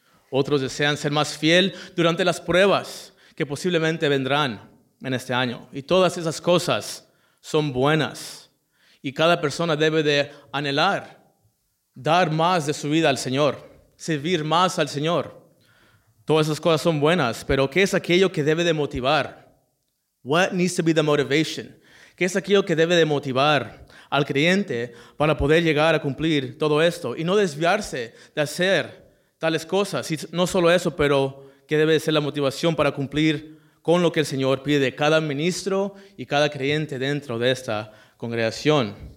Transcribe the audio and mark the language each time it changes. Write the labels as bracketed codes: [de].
[es] Otros desean ser más fiel durante las pruebas que posiblemente vendrán en este año. Y todas esas cosas son buenas. Y cada persona debe de anhelar dar más de su vida al Señor, servir más al Señor. Todas esas cosas son buenas, pero ¿qué es aquello que debe de motivar? [en] What needs to be the motivation? [es] ¿Qué es aquello que debe de motivar al creyente para poder llegar a cumplir todo esto y no desviarse de hacer tales cosas? Y no solo eso, pero ¿qué debe de ser la motivación para cumplir con lo que el Señor pide de cada ministro y cada creyente dentro de esta congregación?